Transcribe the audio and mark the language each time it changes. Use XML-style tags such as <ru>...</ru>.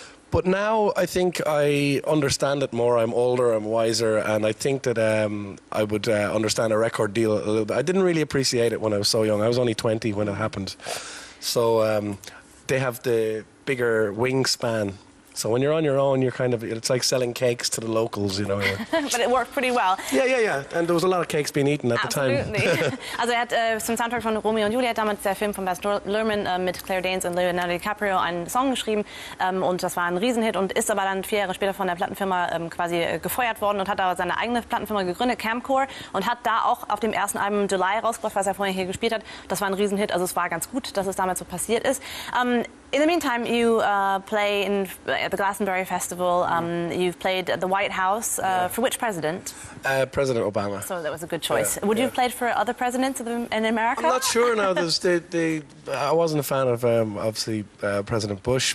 <en>But now I think I understand it more. I'm older, I'm wiser, and I think that I would understand a record deal a little bit. I didn't really appreciate it when I was so young. I was only 20 when it happened. So they have the bigger wingspan. So when you're on your own, you're kind of, it's like selling cakes to the locals, you know. But it worked pretty well. Yeah, yeah, yeah. And there was a lot of cakes being eaten at Absolutely. The time.</en> <de>Also er hat zum Soundtrack von Romeo und Juliet, damals der Film von Baz Luhrmann, mit Claire Danes und Leonardo DiCaprio, einen Song geschrieben. Und das war ein Riesenhit und ist aber dann 4 Jahre später von der Plattenfirma quasi gefeuert worden und hat da seine eigene Plattenfirma gegründet, Camcore, und hat da auch auf dem ersten Album July rausgebracht, was er vorher hier gespielt hat. Das war ein Riesenhit, also es war ganz gut, dass es damals so passiert ist.</de> <en>In the meantime, you play in the Glastonbury Festival. You've played at the White House. Yeah. For which president? President Obama. So that was a good choice. Yeah. Would you have played for other presidents in America? I'm not sure now. I wasn't a fan of, obviously, President Bush.</en>